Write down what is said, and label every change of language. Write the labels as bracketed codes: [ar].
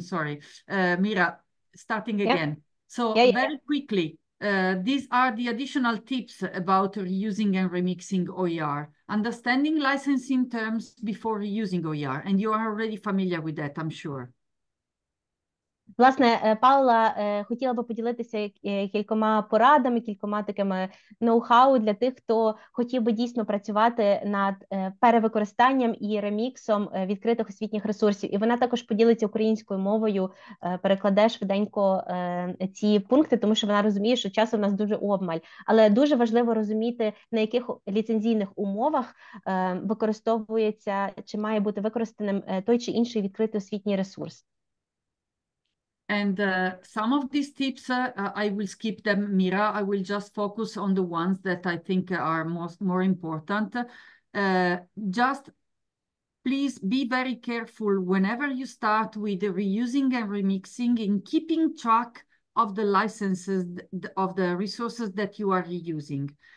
[en] Sorry, Mira, starting again. Yeah. So yeah, very yeah. Quickly, these are the additional tips about reusing and remixing OER. Understanding licensing terms before reusing OER, and you are already familiar with that, I'm sure. [uk] Власне, Павла хотіла би поділитися кількома порадами, кількома такими ноу-хау для тих, хто хотів би дійсно працювати над перевикористанням і реміксом відкритих освітніх ресурсів. І вона також поділиться українською мовою, перекладе швиденько ці пункти, тому що вона розуміє, що часу в нас дуже обмаль. Але дуже важливо розуміти, на яких ліцензійних умовах використовується чи має бути використаним той чи інший відкритий освітній ресурс. [en] And some of these tips, I will skip them, Mira. I will just focus on the ones that I think are more important. Just Please be very careful whenever you start with the reusing and remixing in keeping track of the licenses of the resources that you are reusing.